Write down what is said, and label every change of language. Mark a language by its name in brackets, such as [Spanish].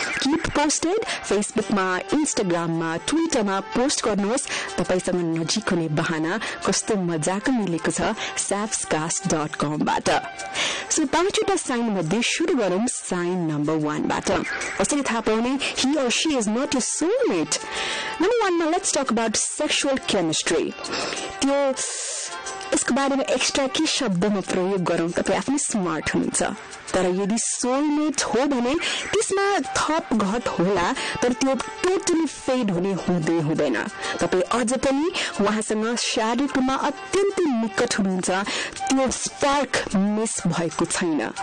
[Nepali] Keep posted फेसबुकमा, इन्स्टाग्राममा, ट्विटरमा पोस्ट गर्नुहोस्, तपाईँसँग नजिक हुने बहाना कस्तो मजाको मिलेको छ sabscast.com. सो 5 साइन मध्ये सुरु गरौँ साइन नम्बर 1. कसरी थाहा पाउने [English] He or she is not your soulmate. Number 1, let's talk about sexual chemistry. [Nepali] त्यो यसको बारेमा एक्स्ट्रा के शब्द म प्रयोग गरौँ, तपाईँ आफ्नै स्मार्ट हुनुहुन्छ. तर यदि सोलमेट हो भने त्यसमा थप घट होला, तर त्यो टोटली फेड हुने हुँदै हुँदैन. तपाईँ अझ पनि उहाँसँग शारीरिक रूपमा अत्यन्तै निकट हुनुहुन्छ, त्यो स्पार्क मिस भएको छैन.